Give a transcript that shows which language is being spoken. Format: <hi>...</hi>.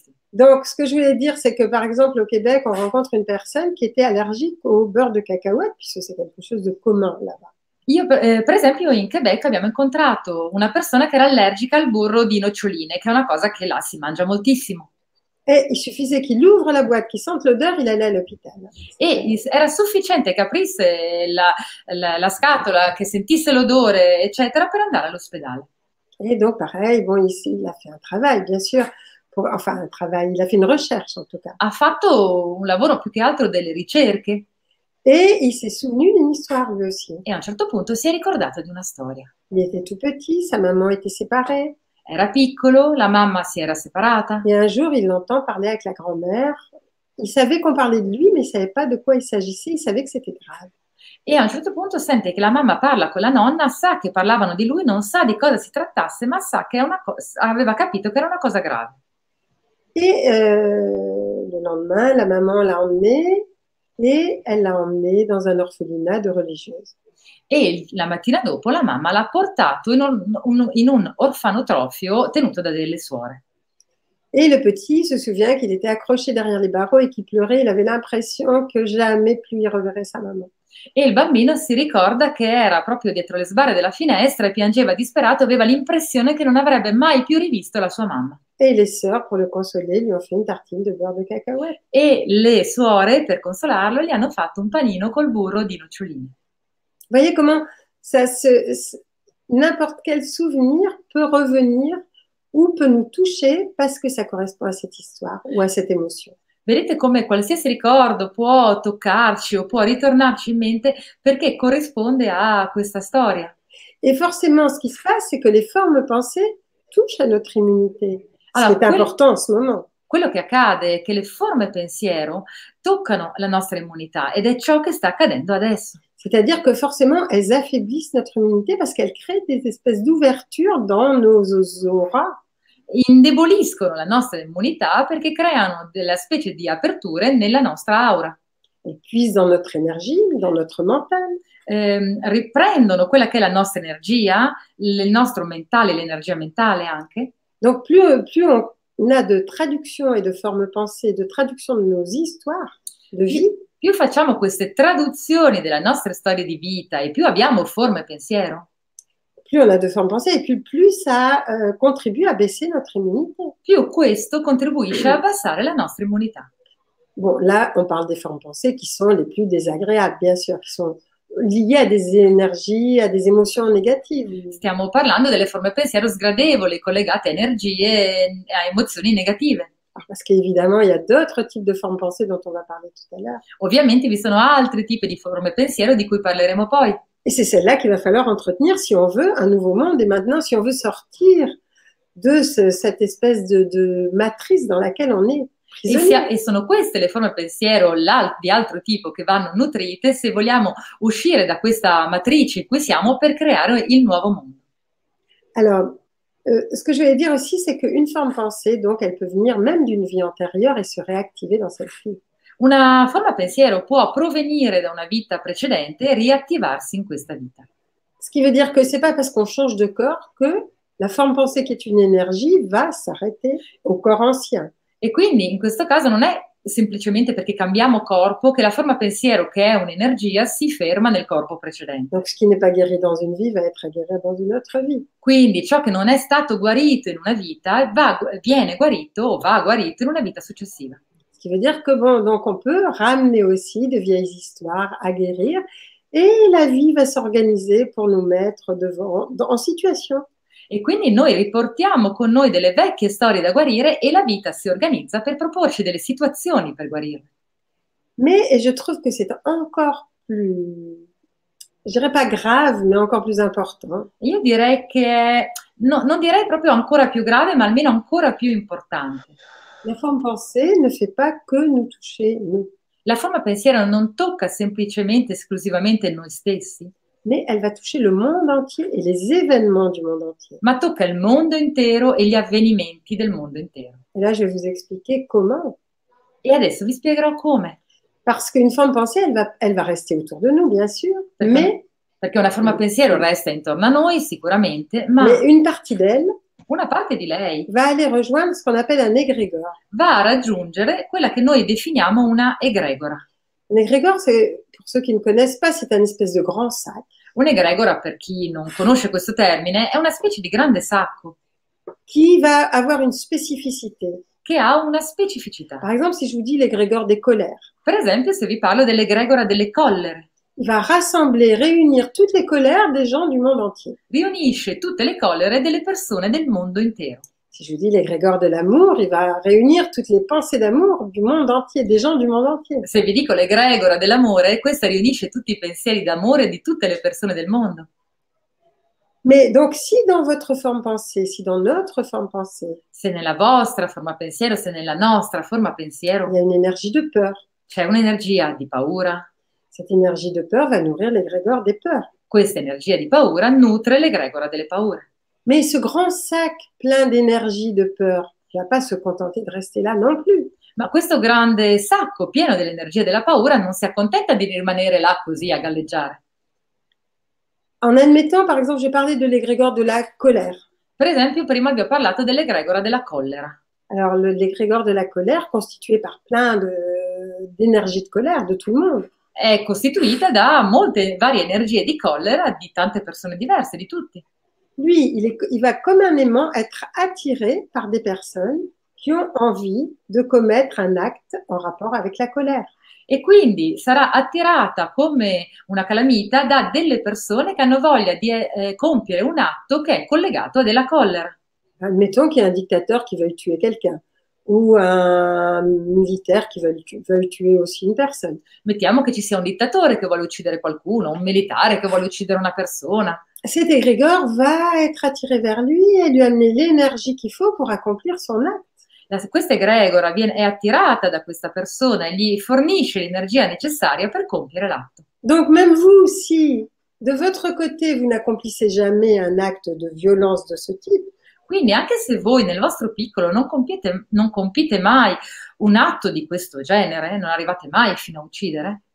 <fr>Donc, ce que je voulais dire, c'est que par exemple, au Québec, on rencontre une personne qui était allergique au beurre de cacahuète, puisque c'est quelque chose de commun là-bas.</fr> <it>Io, per esempio, in Quebec abbiamo incontrato una persona che era allergica al burro di noccioline, che è una cosa che là si mangia moltissimo. E</it> <fr>il suffisait qu'il ouvre la boîte, qu'il sente</fr> <it>l'odore,</it> <fr>il allait à l'hôpital.</fr> <it>E era sufficiente che aprisse la scatola, che sentisse l'odore, eccetera, per andare all'ospedale.</it> <fr>Et donc, pareil, bon, ici, il a fait un travail, bien sûr. Enfin, un travail, il a fait une recherche, en tout cas.</fr> <it>Ha fatto un lavoro, più che altro, delle ricerche.</it> <fr>Et il s'est souvenu d'une histoire, lui aussi.</fr> <it>E a un certo punto si è ricordato di una storia.</it> <fr>Il était tout petit, sa maman était séparée.</fr> <it>Era piccolo, la mamma si era separata.</it> <fr>Et un jour, il l'entend parler avec la grand-mère. Il savait qu'on parlait de lui, mais il savait pas de quoi il s'agissait, il savait que c'était grave.</fr> <it>E a un certo punto sente che la mamma parla con la nonna, sa che parlavano di lui, non sa di cosa si trattasse, ma sa che aveva capito che era una cosa grave. E</it> <fr>le lendemain, la maman l'a emmené</fr> <it>e</it> <fr>elle l'a emmené dans un orphelinat de religieuse.</fr> <it>E la mattina dopo la mamma l'ha portato in un orfanotrofio tenuto da delle suore.</it> <fr>Et le petit se souvient qu'il était accroché derrière les barreaux et qu'il pleurait, il avait l'impression que jamais plus il reverrait sa maman.</fr> <it>E il bambino si ricorda che era proprio dietro le sbarre della finestra e piangeva disperato, aveva l'impressione che non avrebbe mai più rivisto la sua mamma. E</it> <fr>le sœurs pour le consoler lui ont fait une tartine de beurre de cacahuète.</fr> <it>E le suore per consolarlo gli hanno fatto un panino col burro di noccioline.</it> <fr>Voyez comment ça se n'importe quel souvenir peut revenir ou peut nous toucher parce que ça correspond à cette histoire ou à cette émotion.</fr> <it>Vedete come qualsiasi ricordo può toccarci o può ritornarci in mente perché corrisponde a questa storia.</it> <fr>Et forcément, ce qui se passe, c'est que les formes pensées touchent à notre immunité.</fr> <it>Allora,</it> <fr>c'est important en ce moment.</fr> <it>Quello che accade è che le forme pensiero toccano la nostra immunità ed è ciò che sta accadendo adesso.</it> <fr>C'est-à-dire que forcément, elles affaiblissent notre immunité parce qu'elles créent des espèces d'ouverture dans nos auras.</fr> <it>Indeboliscono la nostra immunità perché creano delle specie di aperture nella nostra aura. E</it> <fr>puis dans notre énergie, dans notre mental.</fr> <it>Riprendono quella che è la nostra energia, il nostro mentale, l'energia mentale anche.</it> <fr>Donc plus on a de traduction et de forme pensée, de traduction de nos histoires de vie.</fr> <it>Più facciamo queste traduzioni della nostra storia di vita e più abbiamo forme pensiero. Più</it> <fr>on a de forme pensée et plus ça contribue à baisser notre immunité.</fr> <it>Più questo contribuisce a abbassare la nostra immunità.</it> <fr>Bon, là on parle des formes pensées qui sont les plus désagréables, bien sûr, qui sont liées à des énergies, à des émotions négatives.</fr> <it>Stiamo parlando delle forme pensiero sgradevoli collegate a energie e a emozioni negative.</it> <fr>Parce qu'évidemment, il y a d'autres types de formes pensées dont on va parler tout à l'heure.</fr> <it>Ovviamente, vi sono altri tipi di forme pensiero di cui parleremo poi.</it> <fr>Et c'est celle-là qu'il va falloir entretenir si on veut un nouveau monde et maintenant si on veut sortir de cette espèce de matrice dans laquelle on est prisonnier.</fr> <it>E sono queste le forme pensiero di altro tipo che vanno nutrite se vogliamo uscire da questa matrice in cui siamo per creare il nuovo mondo.</it> <fr>Alors, ce que je voulais dire aussi, c'est qu'une forme pensée, donc, elle peut venir même d'une vie antérieure et se réactiver dans cette vie.</fr> <it>Una forma pensiero può provenire da una vita precedente e riattivarsi in questa vita.</it> <fr>Ce qui veut dire que c'est pas parce qu'on change de corps que la forme pensée qui est une énergie va s'arrêter au corps ancien.</fr> <it>E quindi, in questo caso, non è semplicemente perché cambiamo corpo che la forma pensiero, che è un'energia, si ferma nel corpo precedente.</it> <fr>Donc, ce qui n'est pas guéri dans une vie va être guéri dans une autre vie.</fr> <it>Quindi ciò che non è stato guarito in una vita viene guarito o va guarito in una vita successiva.</it> <fr>Ce qui veut dire que bon, donc on peut ramener aussi de vieilles histoires à guérir et la vie va s'organiser pour nous mettre devant en situation.</fr> <it>E quindi noi riportiamo con noi delle vecchie storie da guarire e la vita si organizza per proporci delle situazioni per guarire.</it> <fr>Mais je trouve que c'est encore plus, je dirais pas grave, mais encore plus important.</fr> <it>Io direi che non direi proprio ancora più grave, ma almeno ancora più importante.</it> <fr>La forme pensée ne fait pas que nous toucher, nous.</fr> <it>la forma pensiero non tocca semplicemente, esclusivamente noi stessi.</it> <fr>Mais elle va toucher le monde entier et les événements du monde entier.</fr> <it>Ma tocca il mondo intero e gli avvenimenti del mondo intero.</it> <fr>Et là, je vais vous expliquer comment.</fr> <it>E adesso vi spiegherò come.</it> <fr>Parce qu'une forme pensée, elle va rester autour de nous, bien sûr. Mais...</fr> <it>Perché una forma pensiero resta intorno a noi, sicuramente, ma...</it> <fr>Mais une partie d'elle...</fr> <it>Una parte di lei...</it> <fr>Va aller rejoindre ce qu'on appelle un égrégore.</fr> <it>Va a raggiungere quella che noi definiamo una egregora.</it> <fr>Un égrégore, c'est, pour ceux qui ne connaissent pas, c'est une espèce de grand sac.</fr> <it>Un égrégore, per chi non conosce questo termine, è una specie di grande sacco.</it> <fr>Qui va avoir une spécificité.</fr> <it>Che ha una specificità.</it> <fr>Par exemple, si je vous dis l'égrégore des colères.</fr> <it>Per esempio, se vi parlo dell'égrégore delle collere.</it> <fr>Il va rassembler, réunir toutes les colères des gens du monde entier.</fr> <it>Riunisce tutte le collere delle persone del mondo intero.</it> <fr>Si je vous dis l'égrégore de l'amour, il va réunir toutes les pensées d'amour du monde entier, des gens du monde entier.</fr> <it>Se vi dico l'égrégore dell'amore, questa riunisce tutti i pensieri d'amore di tutte le persone del mondo.</it> <fr>Mais donc si dans votre forme pensée, si dans notre forme pensée,</fr> <it>se nella vostra forma pensiero, se nella nostra forma pensiero,</it> <fr>il y a une énergie de peur.</fr> <it>C'è un'energia di paura.</it> <fr>Cette énergie de peur va nourrir l'égrégore des peurs.</fr> <it>Questa energia di paura nutre l'égrégore delle paure.</it> <fr>Mais ce grand sac plein d'énergie de peur, il va pas se contenter de rester là non plus.</fr> <it>Ma questo grande sacco pieno dell'energia della paura non si accontenta di rimanere là così a galleggiare.</it> <fr>En admettant, par exemple, j'ai parlé de l'égrégore de la colère.</fr> <it>Per esempio, prima vi ho parlato dell'égrégore della collera.</it> <fr>Alors, l'égrégore de la colère, constitué par plein d'énergie de colère de tout le monde.</fr> <it>È costituita da molte varie energie di collera di tante persone diverse, di tutti.</it> <fr>Lui, il va communément être attiré par des personnes qui ont envie de commettre un acte en rapport avec la colère.</fr> <it>E quindi sarà attirata come una calamita da delle persone che hanno voglia di compiere un atto che è collegato a della collera.</it> <fr>Admettons qu'il y a un dictateur qui veuille tuer quelqu'un ou un militaire qui veuille tuer aussi une personne.</fr> <it>Mettiamo che ci sia un dittatore che vuole uccidere qualcuno, un militare che vuole uccidere una persona.</it> <fr>Cet égrégore va être attiré vers lui et lui amener l'énergie qu'il faut pour accomplir son acte.</fr> <it>Questa egregora è attirata da questa persona e gli fornisce l'energia necessaria per compiere l'atto.</it> <fr>Donc même vous, si de votre côté vous n'accomplissez jamais un acte de violence de ce type,</fr> <it>quindi anche se voi nel vostro piccolo non compite mai un atto di questo genere, non arrivate mai fino a uccidere,</it>